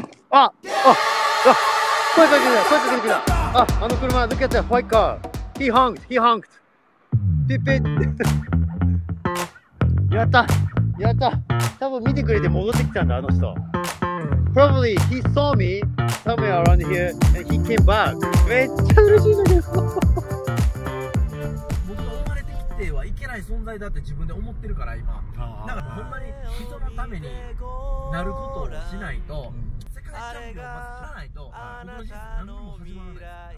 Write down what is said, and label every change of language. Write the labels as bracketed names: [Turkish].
[English] Ah! Ah! Ah! Ah! Look at that white car. He honked. Beep beep. [Japanese] Yatta. [English] Probably, [Japanese] 見てくれて戻ってきたんだ、あの人。 [English] Probably, he saw me somewhere around here and he came back. [Japanese] めっちゃ嬉しいんだけど。生まれてきてはいけない。ない存在だって自分で思ってるから今、なんかほんまに人のためになることをしないと、うん、世界チャンピオンをまず取らないと、はい、僕の人生何にも始まらない。